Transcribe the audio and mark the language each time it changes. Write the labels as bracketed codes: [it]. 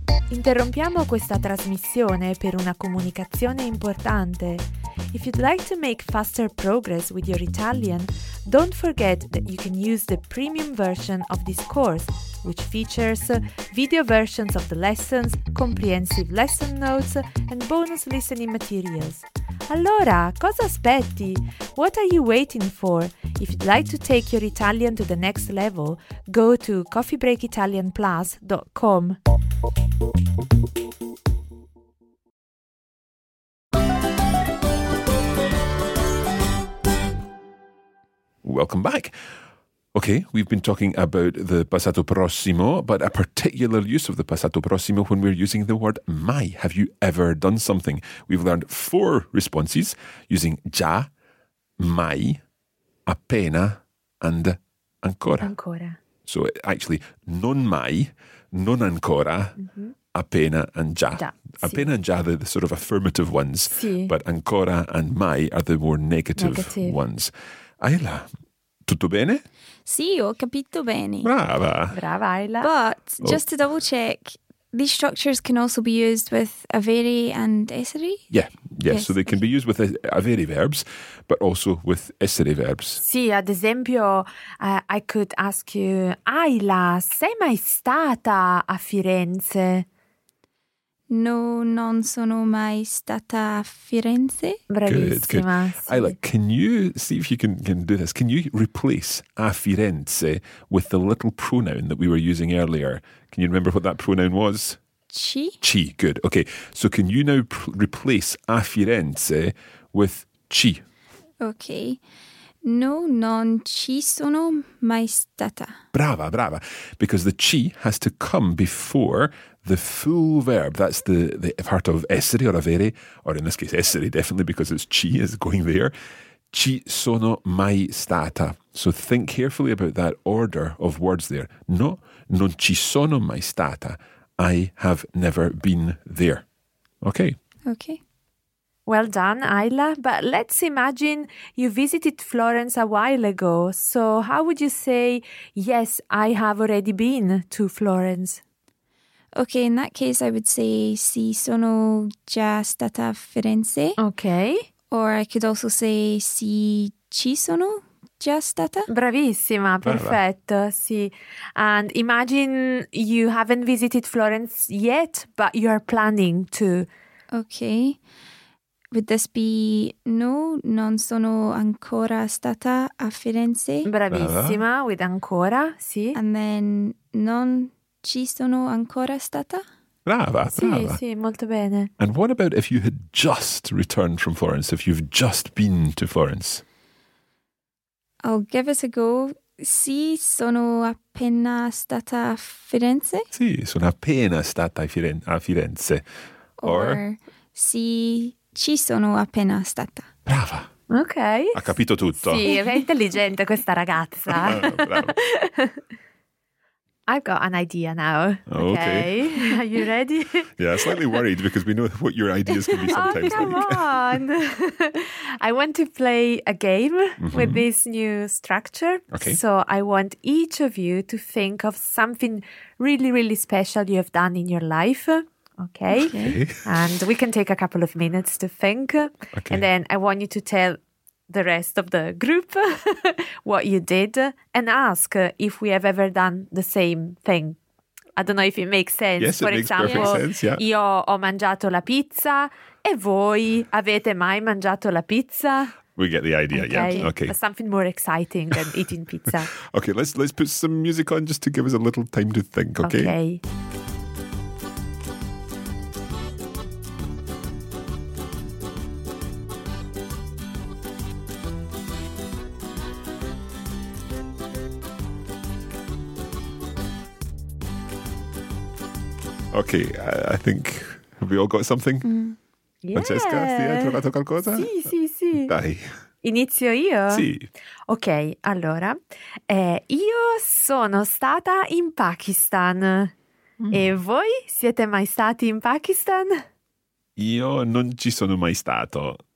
[it] Interrompiamo questa trasmissione per una comunicazione importante. [en] If you'd like to make faster progress with your Italian, don't forget that you can use the premium version of this course, which features video versions of the lessons, comprehensive lesson notes, and bonus listening materials. [it] Allora, cosa aspetti? [en] What are you waiting for? If you'd like to take your Italian to the next level, go to coffeebreakitalianplus.com. Welcome back. Okay, we've been talking about the passato prossimo, but a particular use of the passato prossimo when we're using the word mai. Have you ever done something? We've learned 4 responses using già, mai, appena, and ancora. [it] Ancora. [en] So actually, non mai, non ancora, appena, and già. [it] Già. [en] Appena and già are the sort of affirmative ones, [it] sì. [en] But ancora and mai are the more negative. Ones. [it] Ayla, tutto bene? Sì, ho capito bene. Brava. Brava, Ayla. [en] But just to double check, these structures can also be used with avere and essere? Yeah. Yes. So they can be used with avere verbs, but also with essere verbs. [it] Sì, ad esempio, [en] I could ask you, [it] Ayla, sei mai stata a Firenze? No, non sono mai stata a Firenze. Bravissima. [en] Ayla, can you see if you can do this? Can you replace a Firenze with the little pronoun that we were using earlier? Can you remember what that pronoun was? [it] Ci. [en] Ci, good. Okay, so can you now replace a Firenze with ci? [it] Okay. No, non ci sono mai stata. Brava, brava. [en] Because the ci has to come before the full verb. That's the part of essere or avere, or in this case essere definitely because it's ci is going there. [it] Ci sono mai stata. [en] So think carefully about that order of words there. [it] No, non ci sono mai stata. [en] I have never been there. Okay. Okay. Well done, Ayla. But let's imagine you visited Florence a while ago. So how would you say, yes, I have already been to Florence? Okay, in that case, I would say, [it] sì, sono già stata a Firenze. [en] Okay. Or I could also say, [it] sì, ci sono già stata. Bravissima, perfetto, sì. [en] And imagine you haven't visited Florence yet, but you are planning to. Okay. Would this be, [it] no, non sono ancora stata a Firenze. Bravissima, with ancora, sì. And then, non ci sono ancora stata? Brava, brava. Sì, sì, molto bene. [en] And what about if you had just returned from Florence, if you've just been to Florence? I'll give it a go. [it] Sì, sono appena stata a Firenze. Sì, sono appena stata a Firenze. Or sì, ci sono appena stata. Brava. [en] Ok. [it] Ha capito tutto. Sì, è intelligente questa ragazza. Brava. [en] I've got an idea now. Okay. Are you ready? Yeah, slightly worried because we know what your ideas can be sometimes. Oh, come like. On. I want to play a game with this new structure. Okay. So I want each of you to think of something really, really special you have done in your life. Okay. And we can take a couple of minutes to think. Okay. And then I want you to tell the rest of the group what you did and ask if we have ever done the same thing. I don't know if it makes sense. Yes, For example, [it] io ho mangiato la pizza e voi avete mai mangiato la pizza? [en] We get the idea, okay. Yeah. Okay. Something more exciting than eating pizza. Okay, let's put some music on just to give us a little time to think, okay? Okay. Okay, I think we all got something. Yeah. [it] Francesca, sì, hai trovato qualcosa? Sì, sì, sì. Dai. Inizio io? Sì. Ok, allora, io sono stata in Pakistan. E voi siete mai stati in Pakistan? Io non ci sono mai stato.